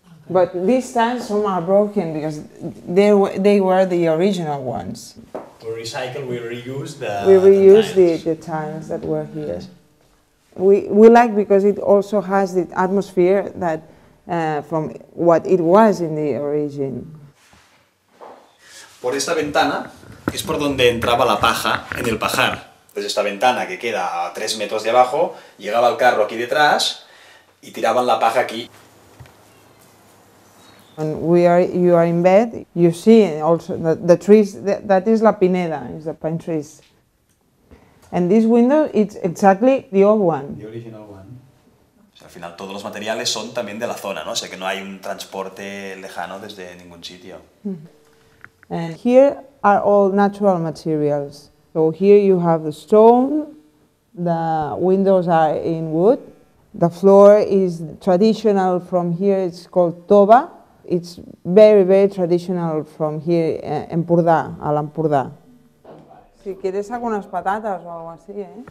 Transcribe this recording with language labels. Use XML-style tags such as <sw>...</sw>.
<en>But these tiles, some are broken because they were the original ones. We reuse the tiles that were here. We like because it also has the atmosphere that from what it was in the origin.</en> <es>Por esta ventana es por donde entraba la paja en el pajar. Pues esta ventana que queda a 3 metros de abajo llegaba el carro aquí detrás y tiraban la paja aquí.</es> <en>When you are in bed, you see also the trees, that is la pineda, is the pine trees. And this window, it's exactly the old one. The original one.</en> <es>Al final, todos los materiales son también de la zona, ¿no? O sea, que no hay un transporte lejano desde ningún sitio.</es> <en>And here are all natural materials. So here you have the stone, the windows are in wood. The floor is traditional from here, it's called toba. It's very, very traditional from here, Empordà, a l'Empordà.</en> <es>Si quieres algunas patatas o algo así, eh?</es>